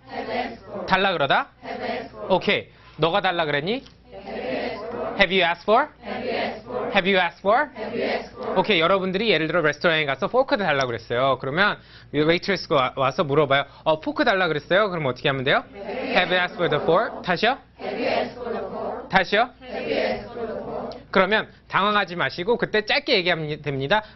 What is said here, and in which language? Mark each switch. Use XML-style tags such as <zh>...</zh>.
<en>Have asked for.</en> <ko>달라 그러다?</ko> <en>Have asked for.</en> <ko>오케이. 너가 달라 그랬니?</ko> <en>Have you asked for? Have you asked for? Have you asked for?</en> <ko>오케이. 여러분들이 예를 들어 레스토랑에 가서 포크도 달라 그랬어요. 그러면 웨이트레스가 와서 물어봐요. 포크 달라 그랬어요? 그럼 어떻게 하면 돼요?</ko> <en>Have you asked for the fork? 다시요? Have you asked for the fork?</en> <ko>다시요?</ko> <en>Have you asked for the fork?</en> <ko>그러면 당황하지 마시고 그때 짧게 얘기하면 됩니다.</ko>